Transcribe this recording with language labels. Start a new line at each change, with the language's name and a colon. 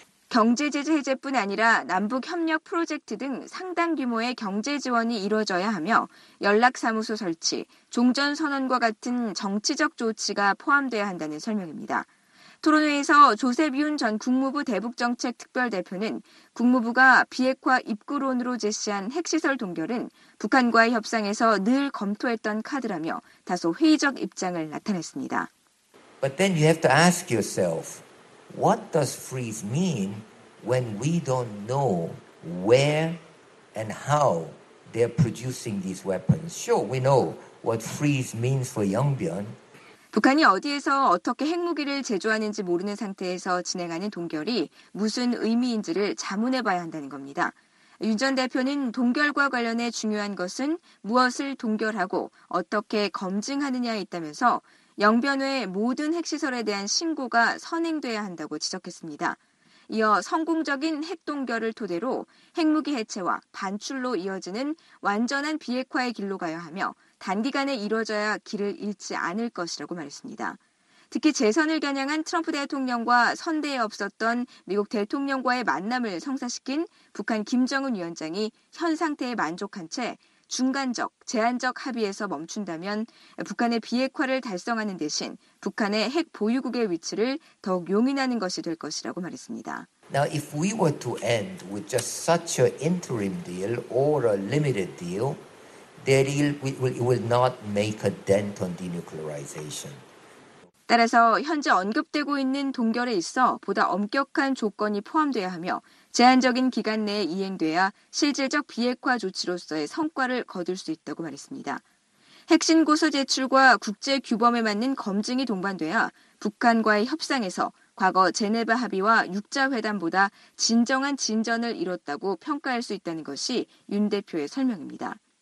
Korean: 경제 제재 해제뿐 아니라 남북 협력 프로젝트 등 상당 규모의 경제 지원이 이루어져야 하며 연락사무소 설치, 종전선언과 같은 정치적 조치가 포함되어야 한다는 설명입니다. 토론회에서 조셉 윤 전 국무부 대북정책특별대표는 국무부가 비핵화 입구론으로 제시한 핵시설 동결은 북한과의 협상에서 늘 검토했던 카드라며 다소 회의적 입장을 나타냈습니다.
English: But then you have to ask yourself, what does freeze mean when we don't know where and how they're producing these weapons? Sure, we know what freeze means for Yongbyon.
Korean: 북한이 어디에서 어떻게 핵무기를 제조하는지 모르는 상태에서 진행하는 동결이 무슨 의미인지를 자문해 봐야 한다는 겁니다. 윤 전 대표는 동결과 관련해 중요한 것은 무엇을 동결하고 어떻게 검증하느냐에 있다면서 영변 외 모든 핵시설에 대한 신고가 선행돼야 한다고 지적했습니다. 이어 성공적인 핵동결을 토대로 핵무기 해체와 반출로 이어지는 완전한 비핵화의 길로 가야 하며 단기간에 이루어져야 길을 잃지 않을 것이라고 말했습니다. 특히 재선을 겨냥한 트럼프 대통령과 선대에 없었던 미국 대통령과의 만남을 성사시킨 북한 김정은 위원장이 현 상태에 만족한 채 중간적, 제한적 합의에서 멈춘다면 북한의 비핵화를 달성하는 대신 북한의 핵 보유국의 위치를 더욱 용인하는 것이 될 것이라고 말했습니다.
English: Now, if we were to end with just such an interim deal or a limited deal, that it will not make a dent on denuclearization.
Korean: 따라서 현재 언급되고 있는 동결에 있어 보다 엄격한 조건이 포함되어야 하며 제한적인 기간 내에 이행돼야 실질적 비핵화 조치로서의 성과를 거둘 수 있다고 말했습니다. 핵신고서 제출과 국제 규범에 맞는 검증이 동반돼야 북한과의 협상에서 과거 제네바 합의와 육자회담보다 진정한 진전을 이뤘다고 평가할 수 있다는 것이 윤 대표의 설명입니다.